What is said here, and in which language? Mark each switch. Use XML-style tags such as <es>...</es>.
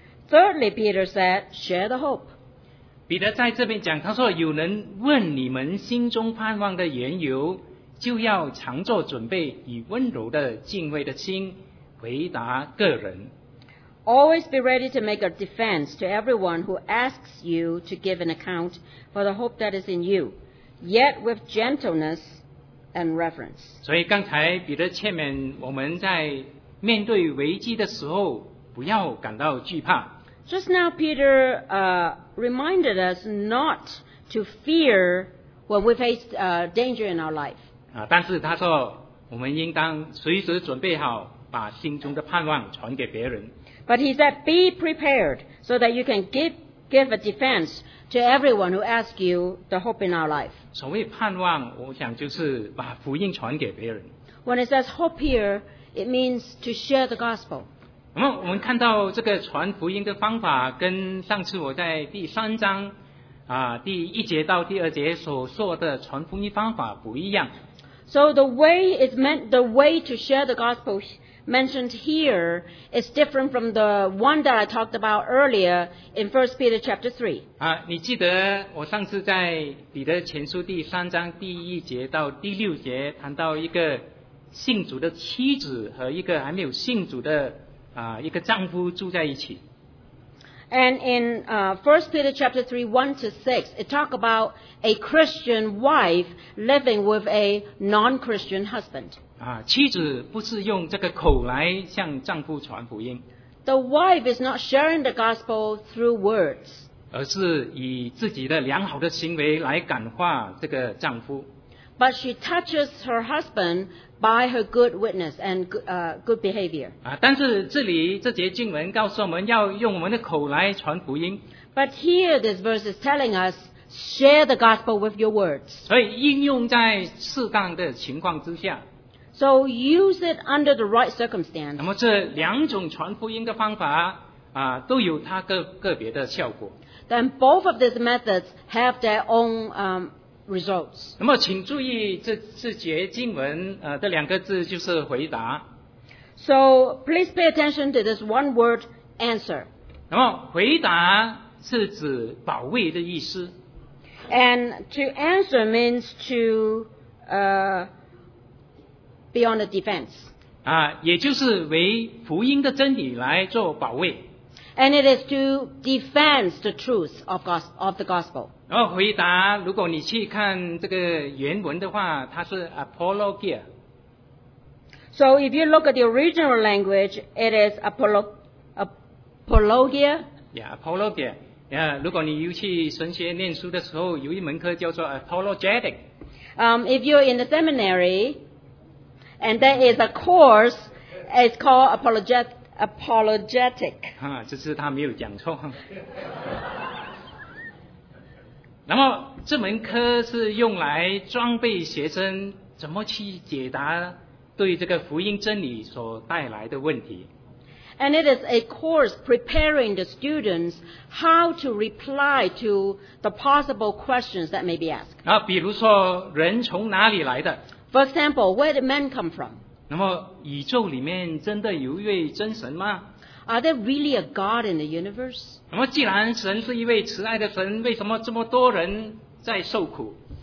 <en>Thirdly, Peter said, share the hope.</en> <zh>彼得在这边讲，他说有人问你们心中盼望的缘由。就要常做准备，以温柔的敬畏的心回答个人。</zh> <en>Always be ready to make a defense to everyone who asks you to give an account for the hope that is in you, yet with gentleness and reverence.</en> <zh>所以刚才彼得劝勉我们在面对危机的时候不要感到惧怕。</zh> <en>Just now, Peter reminded us not to fear when we face danger in our life.</en> <zh>但是他说我们应当随时准备好把心中的盼望传给别人。</zh> <en>But he said, be prepared so that you can give a defense to everyone who asks you the hope in our life.</en> <zh>所谓盼望我想就是把福音传给别人。</zh> <en>When it says hope here, it means to share the gospel.</en> <zh>那么我们看到这个传福音的方法跟上次我在第三章第一节到第二节所说的传福音方法不一样。</zh> <en>So the way is meant, the way to share the gospel mentioned here is different from the one that I talked about earlier in 1 Peter chapter 3.</en> <zh>你记得我上次在彼得前书第三章第一节到第六节谈到一个信主的妻子和一个还没有信主的一个丈夫住在一起。</zh> <en>And in 1 Peter chapter 3, 1 to 6, it talks about a Christian wife living with a non-Christian husband.</en> <zh>妻子不是用这个口来向丈夫传福音。</zh> <en>The wife is not sharing the gospel through words.</en> <zh>而是以自己的良好的行为来感化这个丈夫。</zh> <en>But she touches her husband by her good witness and good behavior.</en> <zh>但是这里这节经文告诉我们要用我们的口来传福音。</zh> <en>But here this verse is telling us Share the gospel with your words.</en> <zh>所以应用在适当的情况之下。</zh> <en>So use it under the right circumstance.</en> <zh>那么这两种传福音的方法啊，都有它个别的效果。</zh> <en>Then both of these methods have their own results.</en> <zh>那么请注意这节经文的两个字就是回答。</zh> <en>So please pay attention to this one word answer.</en> <zh>那么回答是指保卫的意思。</zh> <en>And to answer means to be on the defense.</en> <zh>啊，也就是为福音的真理来做保卫。</zh> <en>And it is to defend the truth of the gospel.</en> <zh>然后回答，如果你去看这个原文的话，它是 apologia.</zh> <en>So if you look at the original language, it is apologia. Yeah, apologia. Yeah,</en> <zh>如果你又去神学念书的时候，有一门课叫做 apologetic.</zh> <en>If you're in the seminary, and there is a course, it's called apologetic. Apologetic.</en> <zh>啊，只是他没有讲错。那么这门课是用来装备学生怎么去解答对这个福音真理所带来的问题。</zh> <en>And it is a course preparing the students how to reply to the possible questions that may be asked.</en> <zh>啊，比如说人从哪里来的</zh> <en>？For example, where did man come from?</en> <zh>那么宇宙里面真的有一位真神吗</zh> <en>？Are there really a God in the universe？</en> <zh>那么既然神是一位慈爱的神，为什么这么多人在受苦</zh>